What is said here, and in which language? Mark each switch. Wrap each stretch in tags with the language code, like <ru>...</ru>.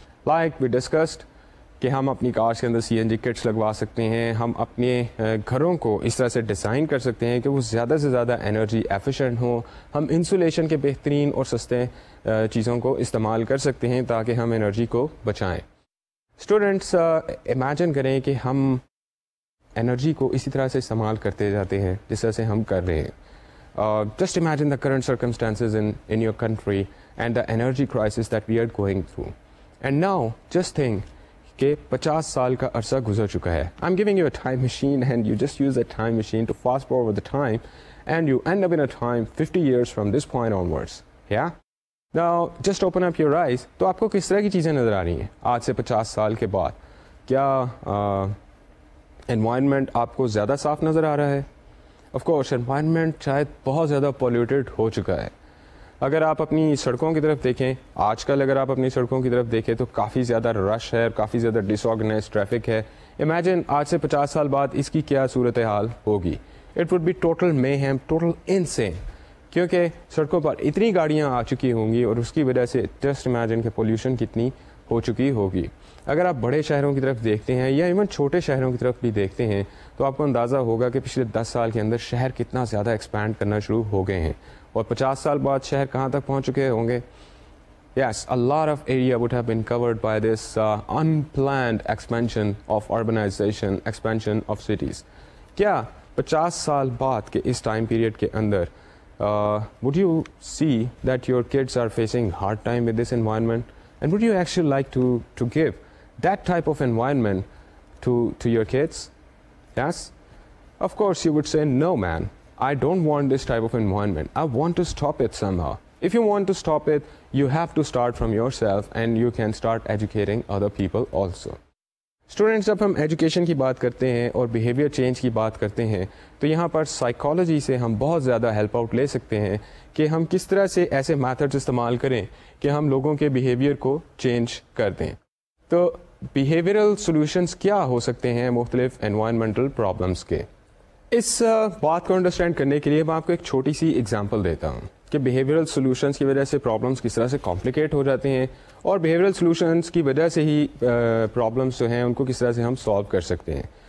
<en>like we discussed</en> <ur>کہ ہم اپنی کارس کے اندر سی این جی کٹس لگوا سکتے ہیں, ہم اپنے گھروں کو اس طرح سے ڈیزائن کر سکتے ہیں کہ وہ زیادہ سے زیادہ انرجی ایفیشینٹ ہوں, ہم انسولیشن کے بہترین اور سستے چیزوں کو استعمال کر سکتے ہیں تاکہ ہم انرجی کو بچائیں. اسٹوڈنٹس, امیجن کریں کہ ہم انرجی کو اسی طرح سے استعمال کرتے جاتے ہیں جس طرح سے ہم کر رہے ہیں.</ur> <en>Just imagine the current circumstances in your country and the energy crisis that we are going through. And now just think</en> <ur>کہ 50 سال کا عرصہ گزر چکا ہے.</ur> <en>I am giving you a time machine and you just use a time machine to fast forward the time and you end up in a time 50 years from this point onwards.</en> <ur>یا</ur> <en>now just open up your eyes,</en> <ur>تو آپ کو کس طرح کی چیزیں نظر آ رہی ہیں آج سے 50 سال کے بعد؟ کیا انوائرمنٹ آپ کو زیادہ صاف نظر آ رہا ہے؟ آف کورس انوائرمنٹ شاید بہت زیادہ پولیوٹیڈ ہو چکا ہے. اگر آپ اپنی سڑکوں کی طرف دیکھیں آج کل, اگر آپ اپنی سڑکوں کی طرف دیکھیں تو کافی زیادہ رش ہے اور کافی زیادہ ڈس آرگنائز ٹریفک ہے. امیجن آج سے 50 سال بعد اس کی کیا صورتحال ہوگی.</ur> <en>it would be total mayhem, total insane,</en> <ur>کیونکہ سڑکوں پر اتنی گاڑیاں آ چکی ہوں گی اور اس کی وجہ سے جسٹ امیجن کہ پولیوشن کتنی ہو چکی ہوگی. اگر آپ بڑے شہروں کی طرف دیکھتے ہیں یا ایون چھوٹے شہروں کی طرف بھی دیکھتے ہیں تو آپ کو اندازہ ہوگا کہ پچھلے 10 سال کے اندر شہر کتنا زیادہ ایکسپینڈ کرنا شروع ہو گئے ہیں, اور 50 سال بعد شہر کہاں تک پہنچ چکے ہوں گے.</ur> <en>Yes, a lot of area would have been covered by this unplanned expansion of urbanization, expansion of cities.</en> <ur>Kya 50 saal baad ke is time period ke andar</ur> <en>would you see that your kids are facing hard time with this environment, and would you actually like to give that type of environment to your kids? Yes, of course you would say, no man, I don't want this type of environment, I want to stop it somehow. If you want to stop it, you have to start from yourself and you can start educating other people also.</en> <ur>Students, جب ہم education کی بات کرتے ہیں اور behaviour change کی بات کرتے ہیں تو یہاں پر سائیکالوجی سے ہم بہت زیادہ ہیلپ آؤٹ لے سکتے ہیں کہ ہم کس طرح سے ایسے میتھڈس استعمال کریں کہ ہم لوگوں کے بیہیویئر کو چینج کر دیں. تو بیہیویئرل سولوشنس کیا ہو سکتے ہیں مختلف انوائرمنٹل پرابلمس کے؟ اس بات کو انڈرسٹینڈ کرنے کے لیے میں آپ کو ایک چھوٹی سی ایگزامپل دیتا ہوں کہ بیہیویئرل سولوشنس کی وجہ سے پرابلمس کس طرح سے کمپلیکیٹ ہو جاتے ہیں اور بیہیویئرل سولوشنس کی وجہ سے ہی پرابلمس جو ہیں ان کو کس طرح سے ہم سالو کر سکتے ہیں.</ur>